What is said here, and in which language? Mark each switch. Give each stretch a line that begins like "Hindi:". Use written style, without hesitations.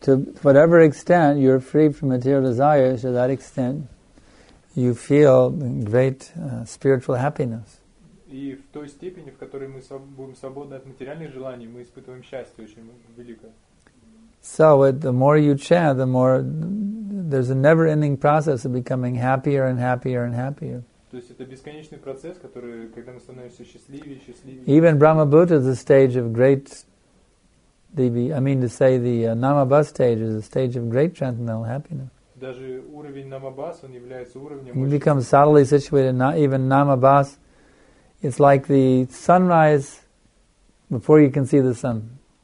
English: To whatever extent you're free from material desires, to that extent you feel great spiritual happiness.
Russian: И в той степени, в которой мы будем свободны от материальных желаний, мы испытываем счастье очень великое.
English: So the more you chant, the more there's a never-ending process of becoming happier and happier and happier.
Russian: То есть это бесконечный процесс, который, когда мы становимся счастливее, счастливее.
English: Even Brahma Buddha is a stage of great. Namabhas stage is a stage of great transcendental happiness.
Russian: Даже уровень Намабхас, он является уровнем.
English: You become subtly situated. Not even Намабхас, it's like the sunrise before you can see the sun.